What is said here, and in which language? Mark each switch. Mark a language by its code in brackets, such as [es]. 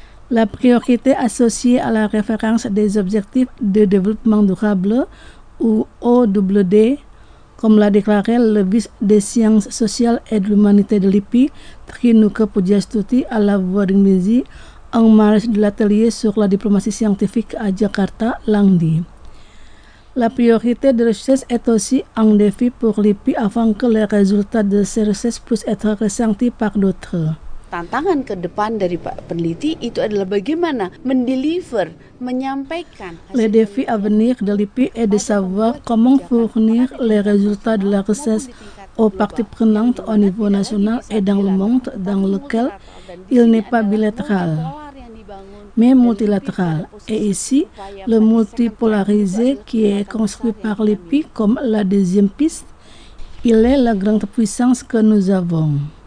[fr] La priorité associée à la référence des objectifs de développement durable, ou ODD, comme l'a déclaré le vice des sciences sociales et de l'humanité de LIPI, Trinuka Pujastuti, à la Voix d'Indonésie, en marge de l'atelier sur la diplomatie scientifique à Jakarta, lundi. La priorité de recherche est aussi un défi pour LIPI afin que les résultats de ces recherches puissent être ressentis par d'autres. [id] Tantangan ke depan dari Pak Peneliti itu adalah bagaimana mendeliver, menyampaikan. [fr] Le défi à venir de LIPI est de savoir comment fournir les résultats de la recherche aux parties prenantes au niveau national et dans le monde dans lequel il n'est pas bilatéral, mais multilatéral. Et ici, le multipolarisé qui est construit par LIPI comme la deuxième piste, il est la grande puissance que nous avons.